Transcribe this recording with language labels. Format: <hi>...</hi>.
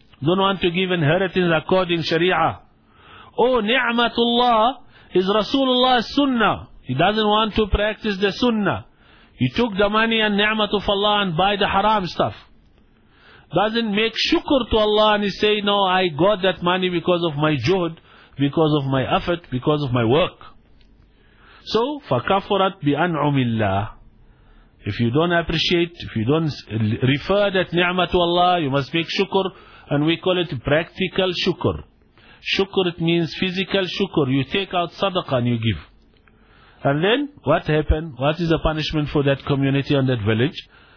<en>Don't want to give inheritance according sharia. Oh, ni'matullah is Rasulullah's sunnah. He doesn't want to practice the sunnah. He took the money and ni'mat of Allah and buy the haram stuff. Doesn't make shukr to Allah and he say, no, I got that money because of my juhd, because of my effort, because of my work.</en> <ar>So, فَكَفُرَتْ بِأَنْعُمِ اللَّهِ.</ar> <en>If you don't appreciate, if you don't refer that ni'mah to Allah, you must make shukr, and we call it practical shukr. Shukr, it means physical shukr. You take out sadaqah and you give. And then, what happened? What is the punishment for that community and that village?</en>